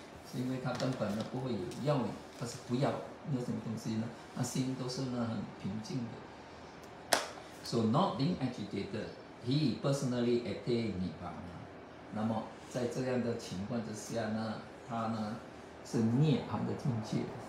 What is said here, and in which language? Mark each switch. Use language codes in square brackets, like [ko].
[zh] 是因为他根本不会有要，或是不要那些东西呢，他心都是很平静的。 [en] So not being agitated, he personally attained Nirvana. [zh] 那么在这样的情况之下呢，他呢是涅槃的境界。